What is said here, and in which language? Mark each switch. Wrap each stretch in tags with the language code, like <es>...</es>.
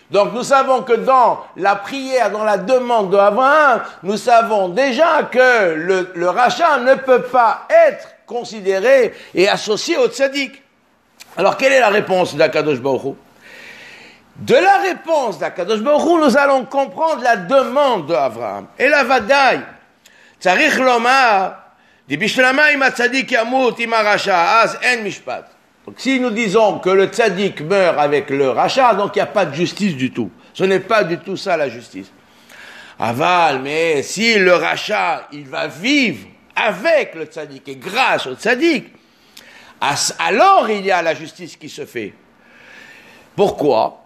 <fr>Donc nous savons que dans la prière, dans la demande de Avraham, nous savons déjà que le rasha ne peut pas être considéré et associé au tzadik. Alors quelle est la réponse d'Akadosh Baruch Hu? De la réponse d'Akadosh Baruch Hu, nous allons comprendre la demande de Avraham et la vadaï.</fr> <he>צריך לומר, דבישלמה אם הצדיק ימות עם הרשע, אז אין משפט.</he> <fr>Donc si nous disons que le tzadik meurt avec le racha, donc il n'y a pas de justice du tout. Ce n'est pas du tout ça la justice. Aval, mais si le racha, il va vivre avec le tzadik et grâce au tzadik, alors il y a la justice qui se fait. Pourquoi?</fr>